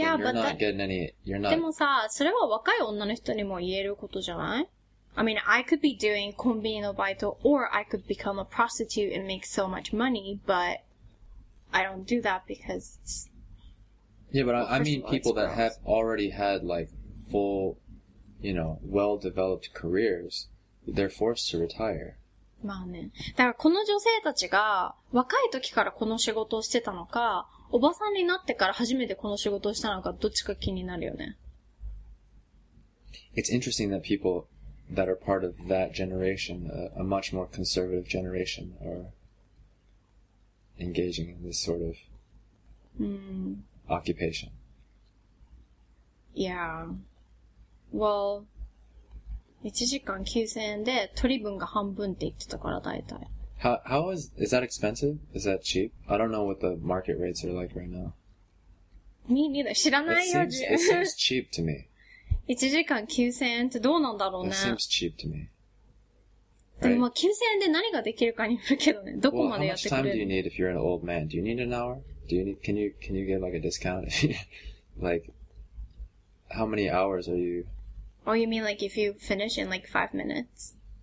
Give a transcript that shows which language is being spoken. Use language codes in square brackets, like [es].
[en] I mean, I could be doing [ja] konbini no baito, [en] or I could become a prostitute and make so much money, but I don't do that because it's... Yeah, but I mean people that have already had, like, full, you know, well-developed careers, they're forced to retire. [ja] まあね。だからこの女性たちが若い時からこの仕事をしてたのか、おばさんになってから初めてこの仕事をしたのか、どっちか気になるよね。 [en] It's interesting that people that are part of that generation, a much more conservative generation, are engaging in this sort of occupation. Yeah. Well, [ja] 1時間9000円で取り分が半分って言ってたから大体。 [en] How is that expensive? Is that cheap? I don't know what the market rates are like right now. Me neither. [ja] 知らないよ。 [en] It seems cheap to me. [ja] 1時間9000円ってどうなんだろうね。 [en] It seems cheap to me. [ja] でも9000円で何ができるかによるけどね。どこまでやってくれる。 [en] How much time do you need if you're an old man? Do you need an hour? Can you get like a discount? Like, how many hours are you? Oh, you mean like if you finish in like 5 minutes?